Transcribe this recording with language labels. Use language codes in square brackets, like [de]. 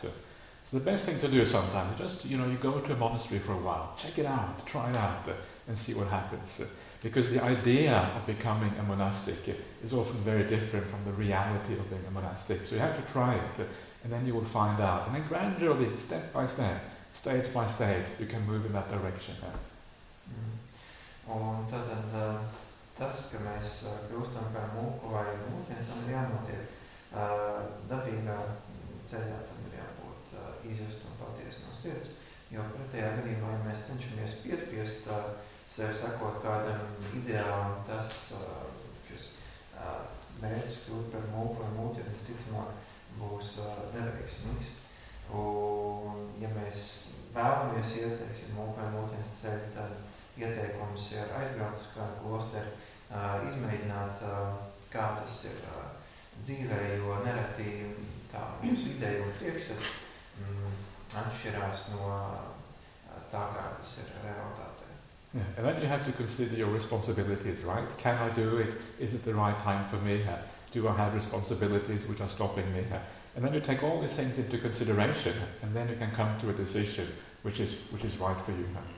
[en] So the best thing to do sometimes is just, you go to a monastery for a while, check it out, try it out, and see what happens. Because the idea of becoming a monastic is often very different from the reality of being a monastic. So you have to try it. And then you will find out. And then gradually, step by step, stage by stage, you can move in that direction. Yeah. [lv] Un tad tas, ka mēs kļūstam par mūku vai mūķiem, tam ir jānotiek dabīgā ceļā, tam ir jābūt izjust un paties no sirds. Jo pretējā gadījumā, ja mēs cenšamies piespiest sevi sakot kādam ideālam, tas šis mērķis kļūt par mūku vai mūķi, ja mēs ticamāk būs neveiksmīgs. Un ja mēs vēlamies ieteiksim mūku vai mūķenes ceļu, tad ieteikums ir aizbraukt uz kādu klosteri, izmēģināt, kā tas ir dzīvē, jo nereti tā mūsu ideja un priekšstats atšķirās no tā, kā tas ir realitātē. [en] Yeah. And then you have to consider your responsibilities, right? Can I do it? Is it the right time for me? Do I have responsibilities which are stopping me? And then you take all these things into consideration, and then you can come to a decision which is right for you.